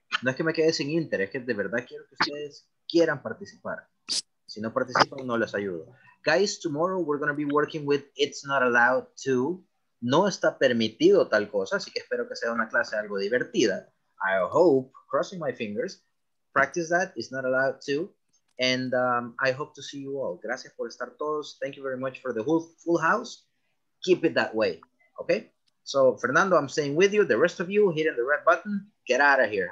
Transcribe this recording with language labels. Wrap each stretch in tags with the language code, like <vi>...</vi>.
<es>No es que me quede sin interés, es que de verdad quiero que ustedes quieran participar. Si no participan, no les ayudo.</es> <en>Guys, tomorrow we're going to be working with It's Not Allowed To.</en> <es>No está permitido tal cosa, así que espero que sea una clase algo divertida.</es> <en>I hope, crossing my fingers, practice that, It's Not Allowed To. And I hope to see you all.</en> <es>Gracias por estar todos.</es> <en>Thank you very much for the whole full house. Keep it that way, okay? So, Fernando, I'm staying with you. The rest of you, hitting the red button, get out of here.</en>